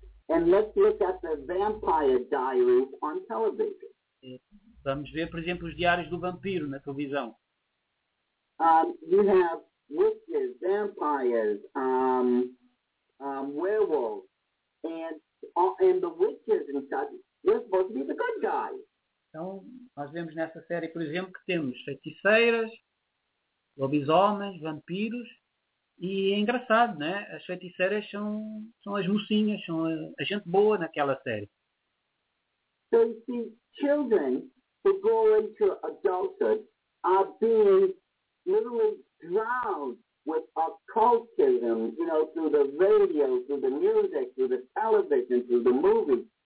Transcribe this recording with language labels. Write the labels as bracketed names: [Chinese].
[English] And let's look at the Vampire Diaries on television. [Portuguese] Vamos ver, por exemplo, os diários do vampiro na televisão. [English] You have witches, vampires, werewolves, and the witches and such, they're supposed to be the good guys. [Portuguese] Então, nós vemos nessa série, por exemplo, que temos feiticeiras, lobisomens, vampiros, e é engraçado, né? As feiticeiras são as mocinhas, são a gente boa naquela série. [English] So you see, children who go into adulthood are being literally drowned with occultism, you know, through the radio, through the music, through the television, through the movies.